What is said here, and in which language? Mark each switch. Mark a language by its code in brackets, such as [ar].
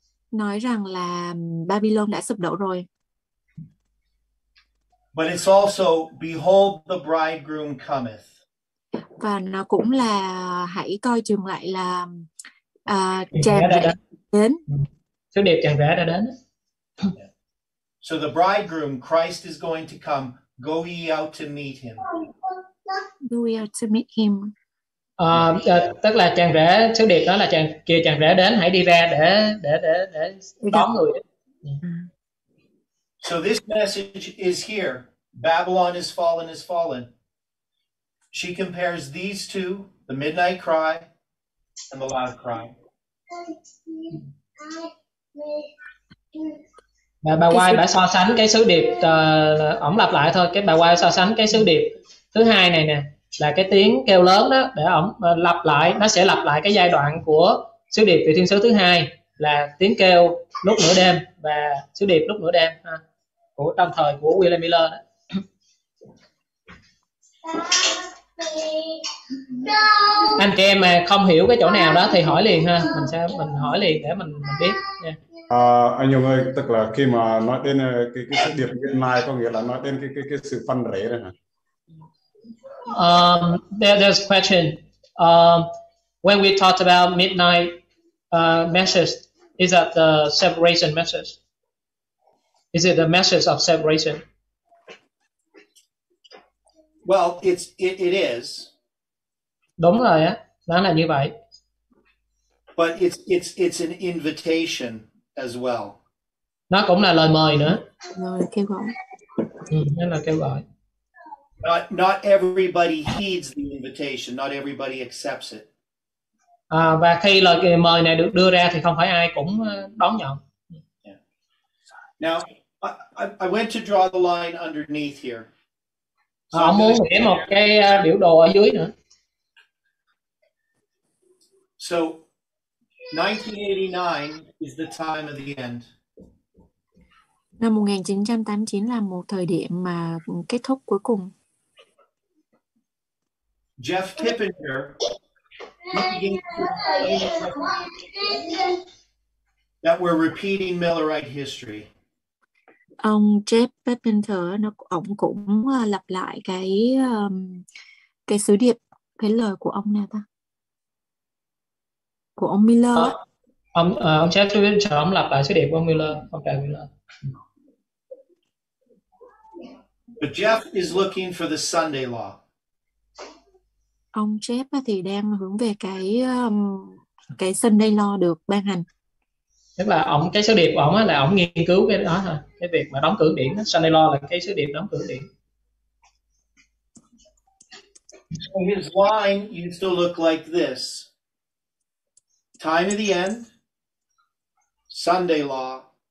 [vi] Nói rằng là Babylon đã sụp đổ rồi. [en] But it's also, behold, the bridegroom cometh. [vi] Và nó cũng là, hãy coi chừng lại là chàng rể đã đến. Sứ điệp chàng rể đã đến. [en] So the bridegroom, Christ is going to come. Go ye out to meet him. Go ye out to meet him. [vi] Tức là chàng rể, sứ điệp đó là chàng kia chàng rể đến, hãy đi ra để đón người. [en] So this message is here. Babylon is fallen, is fallen. She compares these two, the midnight cry and the loud cry. [vi] Bà White bà so sánh cái sứ điệp ổng lặp lại thôi, cái bà White so sánh cái sứ điệp thứ hai này nè là cái tiếng kêu lớn đó, để ổng lặp lại, nó sẽ lặp lại cái giai đoạn của sứ điệp vị thiên sứ thứ hai là tiếng kêu lúc nửa đêm và sứ điệp lúc nửa đêm ha, của trong thời của William Miller đó. Anh chị em mà không hiểu cái chỗ nào đó thì hỏi liền ha, mình sẽ mình hỏi liền để mình biết nha. Anh Hùng ơi, tức là khi mà nói đến cái sự điệp hiện nay có nghĩa là nói đến cái sự phân rẽ đó hả? [en] There's a question. When we talked about midnight message, is that the separation message? Is it the message of separation? Well, it is. [vi] Đúng rồi á, nó là như vậy. [en] But it's an invitation as well. [vi] Nó cũng là lời mời nữa. Lời kêu gọi. Nó là kêu gọi. [en] Not everybody heeds the invitation. Not everybody accepts it. [vi] Và khi lời mời này được đưa ra thì không phải ai cũng đón nhận. [en] Yeah. Now, I went to draw the line underneath here. [vi] Họ muốn vẽ một cái biểu đồ ở dưới nữa. [en] So, 1989 is the time of the end. [vi] Năm 1989 là một thời điểm mà kết thúc cuối cùng. [en] Jeff Kippinger, that we're repeating Millerite history. [vi] Ông Jeff Pepinter, nó ông cũng lặp lại cái sứ điệp, cái lời của ông nè ta. Của ông Miller. Ông Jeff Pepinter, ông lặp lại sứ điệp của ông Miller, ông Jeff Miller. [en] But Jeff is looking for the Sunday law. [vi] Ông Jeff thì đang hướng về cái Sunday law được ban hành. Tức là ông cái sứ điệp của ông là ông nghiên cứu cái đó thôi, cái việc mà đóng cửa điện đó. Sunday law là cái sứ điệp đóng cửa điện. [en] So his line used to look like this: time of the end, Sunday law.